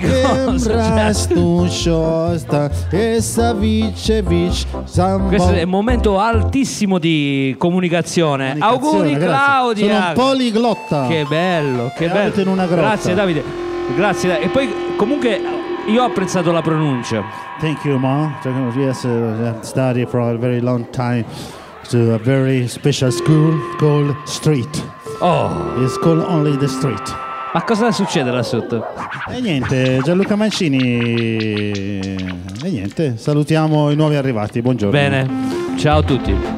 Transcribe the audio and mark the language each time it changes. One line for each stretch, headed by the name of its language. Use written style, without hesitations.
Italian: cosa. Cioè. Essa vice vic sambo. Questo è un momento altissimo di comunicazione. Auguri, grazie. Claudia. Sono un poliglotta. Che bello, che e bello. In una grotta. Grazie, Davide. Grazie, e poi comunque io ho apprezzato la pronuncia.
English: Thank you, ma. Yes, study for a very long time to a very special school called Street. Oh, it's called only the Street.
Italian: Ma cosa succede là sotto? E niente, Gianluca Mancini. E niente, salutiamo i nuovi arrivati. Buongiorno. Bene, ciao a tutti.